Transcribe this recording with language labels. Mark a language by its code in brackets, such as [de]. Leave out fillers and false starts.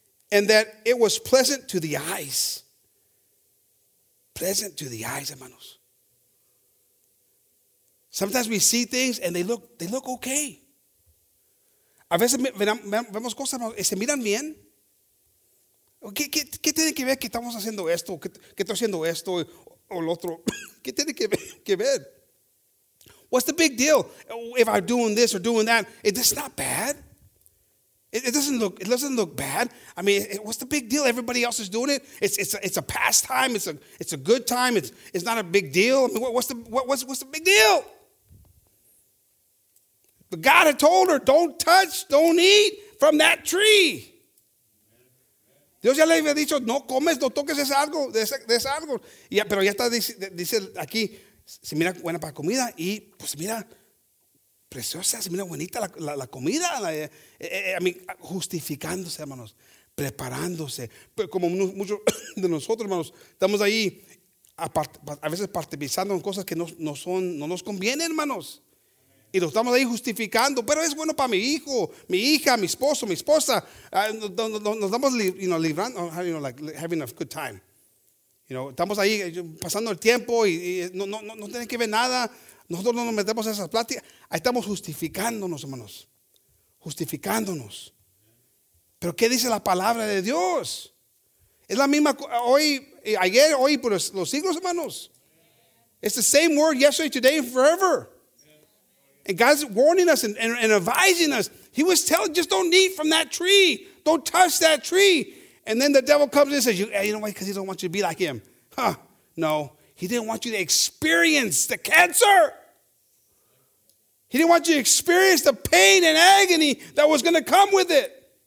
[en] And that it was pleasant to the eyes. Pleasant to the eyes, hermanos. Sometimes we see things and they look okay. [es] A veces vemos cosas, hermanos, y se miran bien. ¿Qué tiene que ver que estamos haciendo esto? ¿Qué estoy haciendo esto o lo otro? ¿Qué tiene que ver? [en] What's the big deal if I'm doing this or doing that? It's not bad. It doesn't look bad. I mean, what's the big deal? Everybody else is doing it. It's a pastime. It's a good time. It's not a big deal. I mean, what's the big deal? But God had told her, don't touch, don't eat from that tree. [es] Dios ya le había dicho, no comes, no toques ese árbol, de ese árbol. Ya, pero ya está, dice aquí, se mira buena para comida y pues mira, preciosa, se mira bonita la comida. Justificándose, hermanos, preparándose. Pero como muchos de nosotros, hermanos, estamos ahí a veces participando en cosas que no nos convienen, hermanos. Y lo estamos ahí justificando, pero es bueno para mi hijo, mi hija, mi esposo, mi esposa. Nos estamos librando, [en] having a good time. You know, [es] estamos ahí pasando el tiempo y no tiene que ver nada. Nosotros no nos metemos en esas pláticas. Ahí estamos justificándonos, hermanos. Justificándonos. Pero ¿qué dice la palabra de Dios? Es la misma hoy, ayer, hoy, por los siglos, hermanos. [en] It's the same word yesterday, today, and forever. And God's warning us and advising us. He was telling, just don't eat from that tree. Don't touch that tree. And then the devil comes in and says, you know why? Because he don't want you to be like him. Huh. No. He didn't want you to experience the cancer. He didn't want you to experience the pain and agony that was going to come with it.